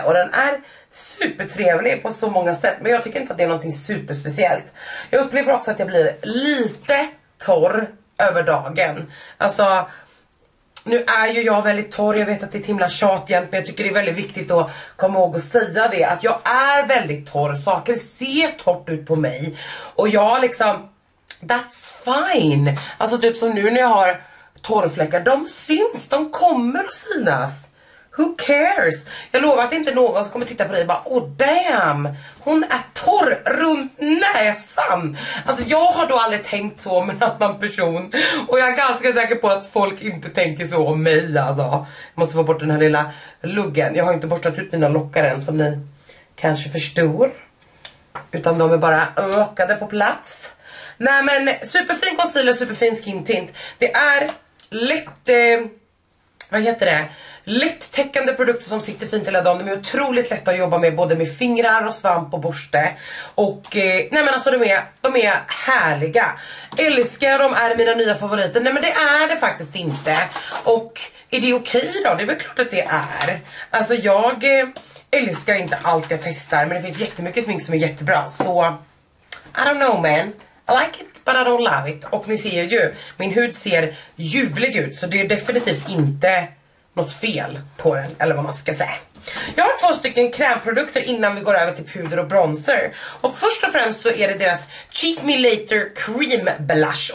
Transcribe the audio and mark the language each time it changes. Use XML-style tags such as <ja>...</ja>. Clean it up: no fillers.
<sv>Och den är supertrevlig på så många sätt. Men jag tycker inte att det är någonting superspeciellt. Jag upplever också att jag blir lite torr över dagen. Alltså, nu är ju jag väldigt torr. Jag vet att det är himla tjat igen, men jag tycker det är väldigt viktigt att komma ihåg och säga det. Att jag är väldigt torr. Saker ser torrt ut på mig. Och jag liksom,</sv> <en>that's fine.</en> <sv>Alltså typ som nu när jag har torrfläckar, de syns, de kommer att synas.</sv> <en>Who cares?</en> <sv>Jag lovar att inte någon som kommer titta på dig och bara,</sv> <en>oh damn,</en> <sv>hon är torr runt näsan. Alltså jag har då aldrig tänkt så om en annan person. Och jag är ganska säker på att folk inte tänker så om mig alltså. Jag måste få bort den här lilla luggen. Jag har inte borstat ut mina lockar än, som ni kanske förstår. Utan de är bara lockade på plats. Nej men, superfin concealer, superfin skin tint. Det är lätt vad heter det, lätttäckande produkter som sitter fint hela dagen. De är otroligt lätta att jobba med, både med fingrar och svamp och borste. Och nej men alltså de är härliga. Älskar de, är mina nya favoriter. Nej men det är det faktiskt inte. Och är det okej då? Det är väl klart att det är. Alltså jag älskar inte allt jag testar, men det finns jättemycket smink som är jättebra.</sv> <en>Så I don't know man, I like it but I don't love it.</en> <sv>Och ni ser ju, min hud ser ljuvlig ut, så det är definitivt inte något fel på den, eller vad man ska säga. Jag har två stycken krämprodukter innan vi går över till puder och bronzer. Och först och främst så är det deras Cheat Me Later Cream Blush.</sv>